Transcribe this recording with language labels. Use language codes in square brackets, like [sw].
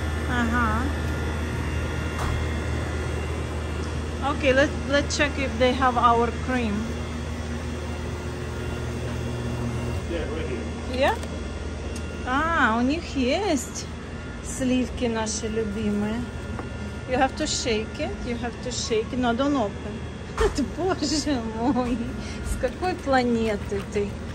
[en] Ага. Okay, let's check if they have our cream. Yeah? [ru] А, у них есть сливки наши любимые. [en] You have to shake it, you have to shake it. No, don't open. [ru] Боже мой, с какой планеты ты?